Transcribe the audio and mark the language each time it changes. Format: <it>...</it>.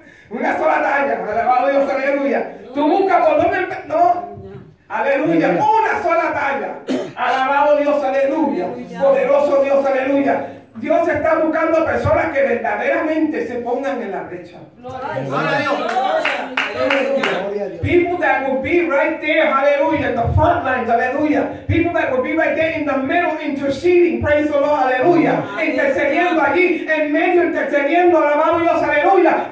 <es>Una sola talla. Alabado Dios. Aleluya. Tú buscas por dónde. No. Aleluya. Una sola talla. Alabado Dios, aleluya. Poderoso Dios, aleluya. Dios está buscando personas que verdaderamente se pongan en la brecha. Gloria a Dios.</es> <en>People that will be right there, aleluya, in the front lines, aleluya. People that will be right there in the middle interceding, praise the Lord, aleluya.</en> <es>Intercediendo allí, en medio intercediendo, alabado Dios, aleluya.</es>